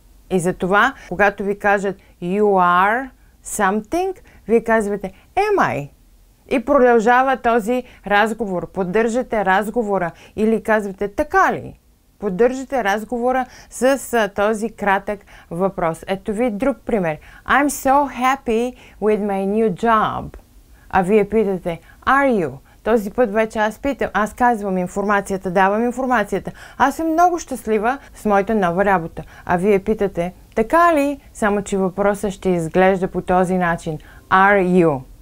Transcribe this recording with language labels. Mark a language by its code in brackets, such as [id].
[bg] И затова, когато ви кажат [en] you are something, [bg] вие казвате [en] am I? [bg] И продължава този разговор. Поддържате разговора или казвате така ли? Поддържате разговора с този кратък въпрос. Ето ви друг пример. [en] I'm so happy with my new job. [bg] А вие питате [en] are you? [bg] Този път вече аз питам, аз казвам информацията, давам информацията. Аз съм много щастлива с моята нова работа. А вие питате, така ли? Само, че въпросът ще изглежда по този начин. [en] Are you?